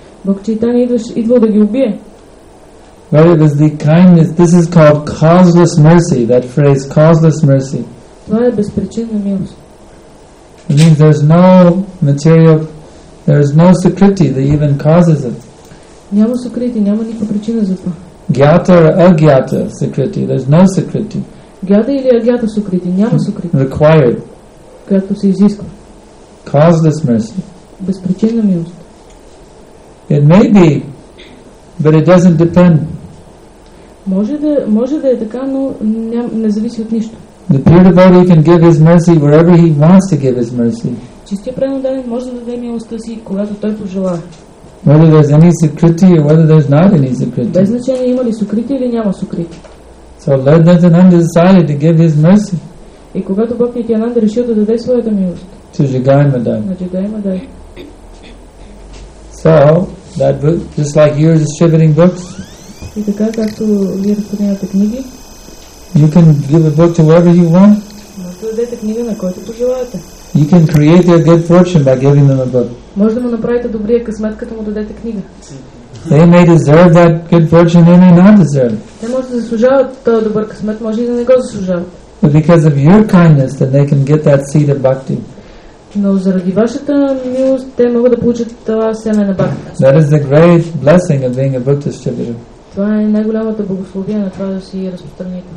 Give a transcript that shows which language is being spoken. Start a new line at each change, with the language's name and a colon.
English: Well, it was the kindness. This is called causeless mercy, that phrase, causeless mercy. It means there's no material, there's no sukriti that even causes it.
Bulgarian: Няма сукрити, няма никаква причина за това. Гята или агята сукрити,
English: there's no
Bulgarian: сукрити. Гята или агята сукрити, няма сукрити.
English: Required.
Bulgarian: Както се изисква.
English: Causeless mercy.
Bulgarian: Безпричинна милост.
English: It may be, but it doesn't depend.
Bulgarian: Може да е така, но не зависи от нищо.
English: The pure devotee can give his mercy wherever he wants to give his mercy.
Bulgarian: Чистия преданен може да даде милостта си, когато той пожелае.
English: Whether there's any sukriti or whether there's not any sukriti.
Bulgarian: Без значение има ли сукрити или няма сукрити.
English: So Lord Nityananda decided to give his mercy.
Bulgarian: И когато Бог Нитянанда решил да даде своята милост.
English: To Jagai and Madai.
Bulgarian: На Jagai and Madai.
English: So that book, just like you're distributing books.
Bulgarian: И така както вие разпространявате книги.
English: You can give a book to whoever you want.
Bulgarian: Можете да дадете книга на който пожелаете.
English: You can create their good fortune by giving them a book.
Bulgarian: Може да му направите добрия късмет, като му дадете книга.
English: They may deserve that good fortune, they may not deserve.
Bulgarian: Те може да заслужават този добър късмет, може и да не го заслужават.
English: But because of your kindness, then they can get that seed of bhakti.
Bulgarian: Но заради вашата милост, те могат да получат това семе на бхакти.
English: That is the great blessing of being a book distributor.
Bulgarian: Това е най-голямото благословие на това да си разпространител.